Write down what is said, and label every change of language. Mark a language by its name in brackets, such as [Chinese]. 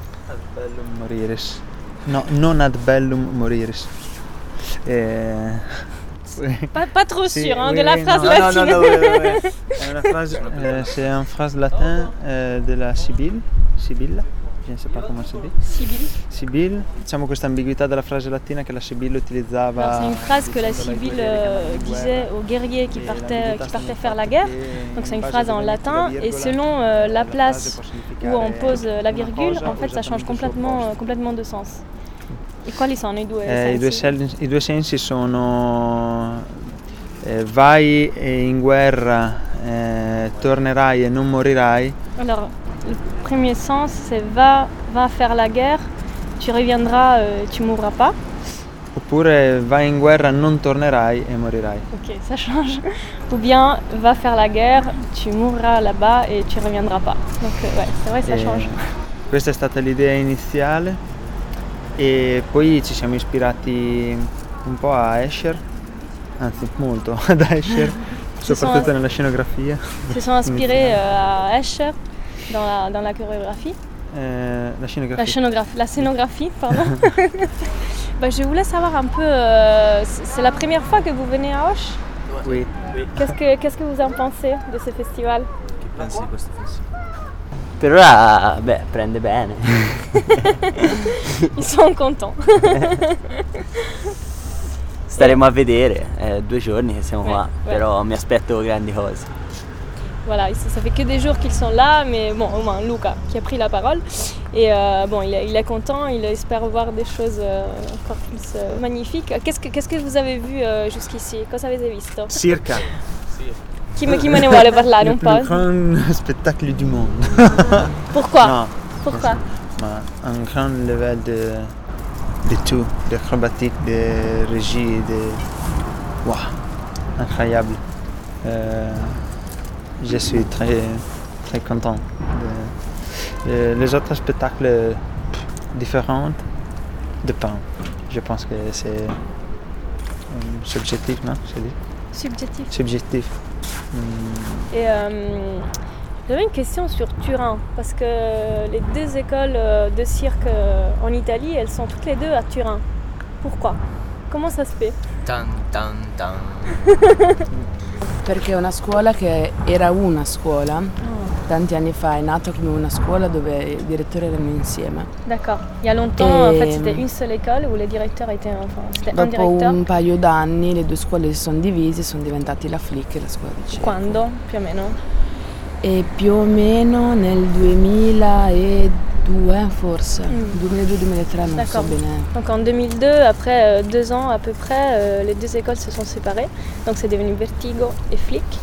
[Latin] Ad bellum moriris. Non ad bellum moriris. [French] Pas trop sûr, de la phrase latine. C'est une phrase latine de la Sibylle. Sibylla, je ne sais pas comment c'est dit. Sibylle. [Italian] Diciamo questa ambiguità della frase latina che la Sibylle utilizzava. [French] C'est une phrase que la Sibylle disait aux guerriers qui partaient faire la guerre. Donc c'est une phrase en latin, et selon la place où on pose la virgule, en fait ça change complètement de sens. [Italian] E quali sono i due sensi? I due sensi sono vai in guerra, tornerai e non morirai. Allora, il primo senso è va a fare la guerra, [French] tu reviendras, tu mourras pas. [Italian] Oppure Oppure vai in guerra, non tornerai e morirai. [French] Ok, ça change. Ou bien va faire la guerre, tu mourras là-bas et tu reviendras pas. Donc ouais, c'est vrai, ça change. [Italian] Questa è stata l'idea iniziale e poi ci siamo ispirati un po' a Escher, anzi molto ad Escher, soprattutto nella scenografia. Si sono ispirati a Escher [French] dans la [Italian] coreografia. [French] La scénographie, pardon. Bah, je voulais savoir un peu, c'est la première fois que vous venez à Auch? Oui. Qu'est-ce que vous en pensez de ce festival? [Italian] Che pensi di questo festival? Per ora, beh, prende bene. [French] Ils sont contents. [Italian] Staremo a vedere, è due giorni che siamo qua, però mi aspetto grandi cose. [French] Voilà, ça fait que des jours qu'ils sont là, mais bon, au moins Luca qui a pris la parole. Et bon, il est content, il espère voir des choses encore plus magnifiques. Qu'est-ce que vous avez vu jusqu'ici? [Italian] Cosa avete visto? Circa. Qui me ne vuole parlare un po'? [French] Le grand spectacle du monde. Pourquoi? Non, pourquoi? Mais un grand level de tout, de acrobatique, de régie, de. Waouh! Incroyable. Je suis très, très content. Les autres spectacles différents dépendent. Je pense que c'est subjectif, non? C'est dit. Subjectif. Subjectif. Et j'avais une question sur Turin, parce que les deux écoles de cirque en Italie, elles sont toutes les deux à Turin. Pourquoi? Comment ça se fait? Tan, tan, tan. [Italian] Perché è una scuola che era una scuola, tanti anni fa è nata come una scuola dove i direttori erano insieme. [French] D'accord, il y a longtemps, en fait, c'était une seule école où les directeurs étaient enfin, c'était un directeur. [Italian] Dopo un paio d'anni le due scuole si sono divise, sono diventati la FLIC e la scuola di cerco. Quando, più o meno? E più o meno nel 2002 forse, 2002-2003, non [French] D'accord. [Italian] so bene. [French] Donc en 2002, après deux ans à peu près, les deux écoles se sont séparées, donc c'est devenu Vertigo et FLIC.